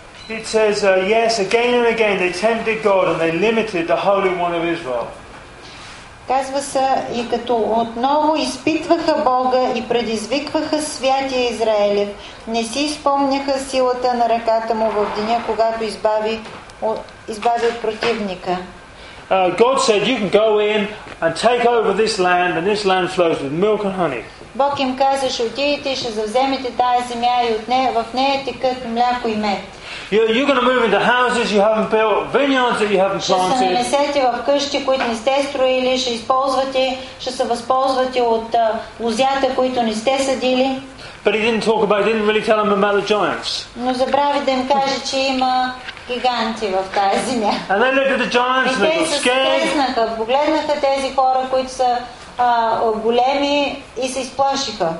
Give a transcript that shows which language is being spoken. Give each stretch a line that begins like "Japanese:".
English: It says, yes, again and again they tempted God and they limited the Holy One of Israel.
Bulgarian: Казва се, и като отново изпитваха Бога и предизвикваха святия Израилев, не си изпомняха силата на ръката му в деня, когато избави от противника.
English: God said, you can go in and take over this land, and this land flows with milk and honey.
Bulgarian: Бог им каза, ще отидете, ще завземете тая земя и в нея текат мляко и мед.
English: You're going to move into houses you haven't built, vineyards that you haven't planted.
Bulgarian: Ще се нанесете в къщи, които не сте строили, ще се възползвате от лозята, които не сте съдили.
English: But he didn't talk about, he didn't really tell them about the giants.
Bulgarian: Но забрави да им каже, че има гиганти в тази земя.
English: And they looked at the giants and they got scared.
Bulgarian: Погледнаха тези хора, които са големи и се изплашиха.